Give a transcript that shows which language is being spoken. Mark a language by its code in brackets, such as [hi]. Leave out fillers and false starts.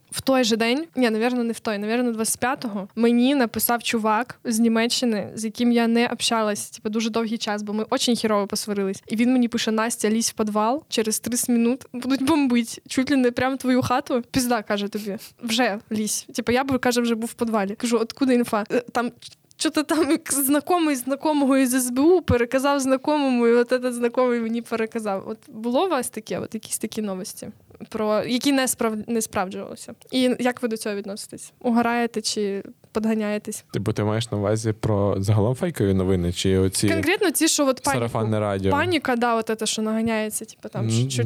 [uk] в той же день, ні, наверное, не в той, наверно, 25-го, мені написав чувак з Німеччини, з яким я не общалась, типу, дуже довгий час, бо ми [ru] очень херово [uk] посварились. І він мені пише: «Настя, лізь в підвал, через 30 минут будуть бомбити, [ru] чуть ли не [uk] прямо твою хату». Пізда, каже тобі, вже лізь. Типу, я, каже, вже був в підвалі. Кажу, откуда інфа? Там... [ru] Что-то там знакомый знакомого из СБУ переказав знакомому, и вот этот знакомый [uk] мені переказав. От було у вас таке, от якісь такі новості, про які не справджувалися? І як ви до цього відноситесь? Угораєте чи подганяєтесь? Типу, ти маєш на увазі про загалом фейкові новини чи оці? Конкретно ці, що от сарафанне радіо. Паніка, да, от це, що наганяється, типу там чуть-чуть.